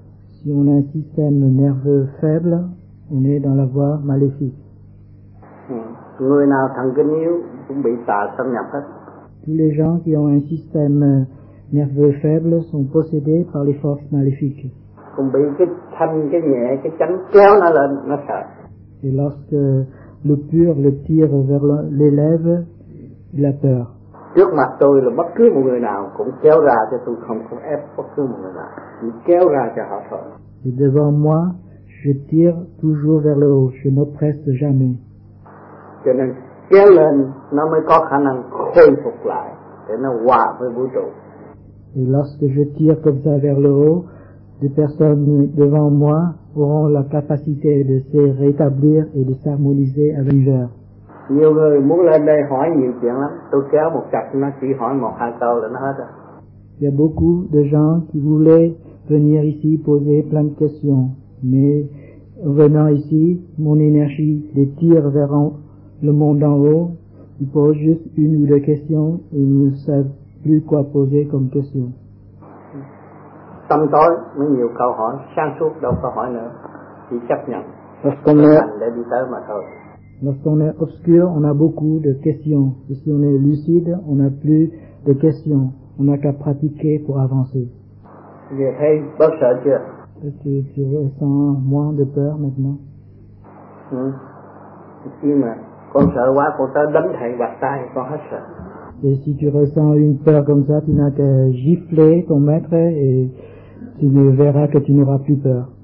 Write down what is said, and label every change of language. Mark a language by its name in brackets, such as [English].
[French] Si on a un système nerveux faible, on est dans la voie maléfique. Tous les gens qui ont un système nerveux faible sont possédés par les forces maléfiques. [Vietnamese] Cũng bị cái thanh, cái nhẹ, cái chánh kéo nó lên, nó sợ. [French] Et lorsque le pur le tire vers l'élève, il a peur. [Vietnamese] Trước mặt tôi là bất cứ một người nào cũng kéo ra cho tôi, không có ép bất cứ một người nào, chỉ kéo ra cho họ thôi. [French] Et devant moi, je tire toujours vers le haut, je n'oppresse jamais. [Vietnamese] Cho nên kéo lên, nó mới có khả năng khôi phục lại, để nó hòa với vũ trụ. [French] Et lorsque je tire comme ça vers le haut, des personnes devant moi auront la capacité de se rétablir et de s'harmoniser avec l'univers. [Vietnamese] Nhiều người muốn lên đây hỏi nhiều chuyện lắm. Tôi kéo một cặp nó chỉ hỏi một hai câu là nó hết rồi. [French] Il y a beaucoup de gens qui voulaient venir ici poser plein de questions, mais venant ici, mon énergie les tire vers le monde en haut. Ils posent juste une ou deux questions et ne savent plus quoi poser comme question. [Vietnamese] Tâm tối mới nhiều câu hỏi, sáng suốt đâu có hỏi nữa, chỉ chấp nhận, để đi tới mà thôi. [French] Lorsqu'on est obscur, on a beaucoup de questions. Et si on est lucide, on n'a plus de questions. On n'a qu'à pratiquer pour avancer. [Vietnamese] Vậy thấy bớt sợ chưa? [French] Tu ressens moins de peur maintenant? [Vietnamese] Khi mà con sợ quá, con tới đánh thầy bạc tay, con hết sợ. [French] Et si tu ressens une peur comme ça, tu n'as qu'à gifler ton maître et tu verras que tu n'auras plus peur.